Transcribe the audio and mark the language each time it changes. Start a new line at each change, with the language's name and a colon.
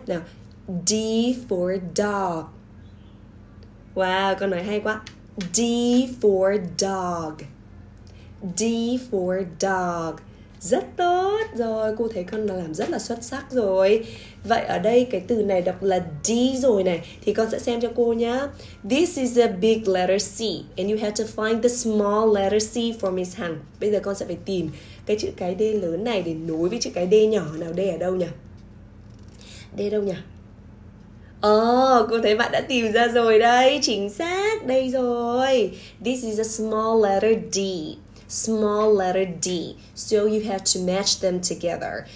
Vietnamese: Nào,
English: D for dog. Wow,
Vietnamese: con nói hay quá.
English: D for dog. D for dog.
Vietnamese: Rất tốt. Rồi, cô thấy con làm rất là xuất sắc rồi. Vậy ở đây cái từ này đọc là D rồi này. Thì con sẽ xem cho cô nhá.
English: This is a big letter C. And you have to find the small letter C for Miss Hằng.
Vietnamese: Bây giờ con sẽ phải tìm cái chữ cái D lớn này để nối với chữ cái D nhỏ nào. D ở đâu nhỉ? D đâu nhỉ? Cô thấy bạn đã tìm ra rồi đây. Chính xác, đây rồi.
English: This is a small letter D. Small letter D. So you have to match them together.